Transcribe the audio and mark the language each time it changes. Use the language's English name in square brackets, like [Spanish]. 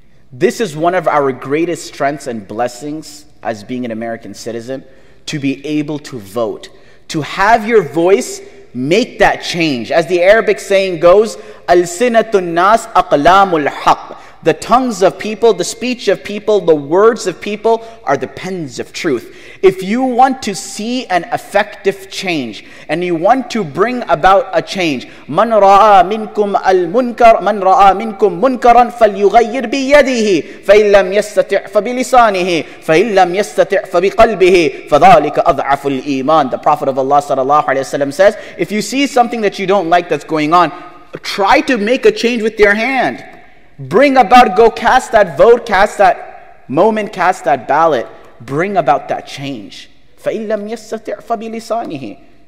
[English] This is one of our greatest strengths and blessings as being an American citizen, to be able to vote. To have your voice make that change. As the Arabic saying goes, [Arabic] Al-sinatun nas aqlamul haq. [English] The tongues of people, the speech of people, the words of people are the pens of truth. If you want to see an effective change and you want to bring about a change, [Arabic] من رأى منكم المنكر من رأى منكم منكرا فليغير بيده فإن لم يستطع فبلسانه فإن لم يستطع فبقلبه فذلك أضعف الإيمان. [English] The Prophet of Allah sallallahu alaihi wasallam says, if you see something that you don't like that's going on, try to make a change with your hand. Bring about, go cast that vote, cast that moment, cast that ballot. Bring about that change. [Arabic] فَإِن لَمْ يَسْتَطِعْ فَبِلِسَانِهِ.